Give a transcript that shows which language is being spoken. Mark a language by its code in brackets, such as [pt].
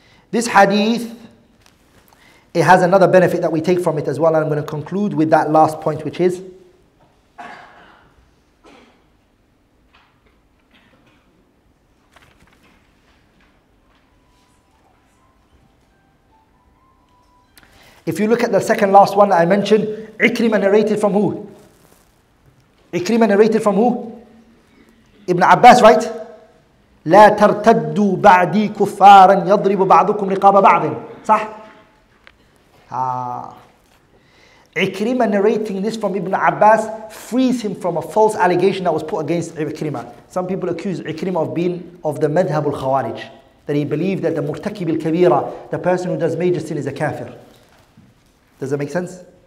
[en] This hadith, it has another benefit that we take from it as well. And I'm going to conclude with that last point, which is, if you look at the second last one that I mentioned, Ikrimah narrated from who? Ikrimah narrated from who? Ibn Abbas, right? [ar] لا ترتدوا بعدي كفارا يضرب بعضكم رقاب بعض. صح? [en] Ikrimah narrating this from Ibn Abbas frees him from a false allegation that was put against Ikrimah. Some people accuse Ikrimah of being of the Madhab al-Khawarij, that he believed that the Murtakib al-Kabira, the person who does major sin, is a kafir. Does that make sense?